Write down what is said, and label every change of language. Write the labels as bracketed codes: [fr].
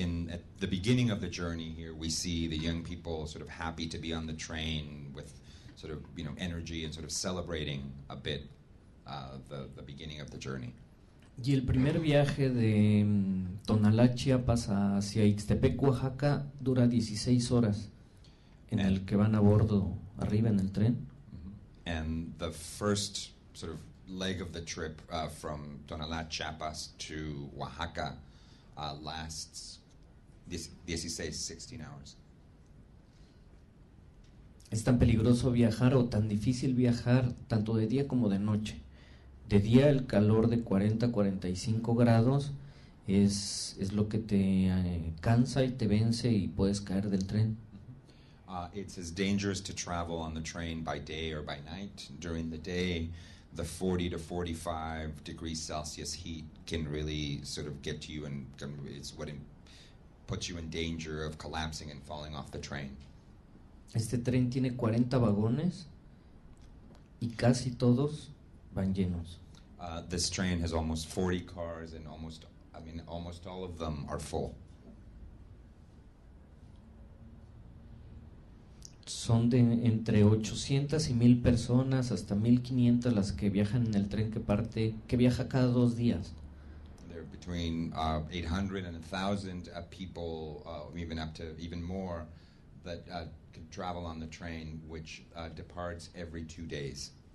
[en] At the beginning of the journey here, we see the young people sort of happy to be on the train with sort of, you know, energy and sort of celebrating a bit the beginning of the journey. [es] Y el primer viaje de Tonalá, Chiapas hacia Ixtepec, Oaxaca, dura 16 horas en el que van a bordo arriba en el tren. [en] And the first sort of leg of the trip from Tonalá, Chiapas to Oaxaca lasts 16 hours. [es] Es tan peligroso viajar o tan difícil viajar tanto de día como de noche. De día el calor de 40-45 grados es lo que te cansa y te vence y puedes caer del tren. [en] It's as dangerous to travel on the train by day or by night. During the day, the 40 to 45 degrees Celsius heat can really sort of get to you, and it's what puts you in danger of collapsing and falling off the train. [es] Este tren tiene 40 vagones y casi todos van llenos. [en] This train has almost 40 cars and almost all of them are full. [es] Son de entre 800 y 1,000 personas hasta 1,500 las que viajan en el tren que viaja cada dos días. [en] They're between 800 and 1,000 people, even up to even more, that can travel on the train, which departs every two days.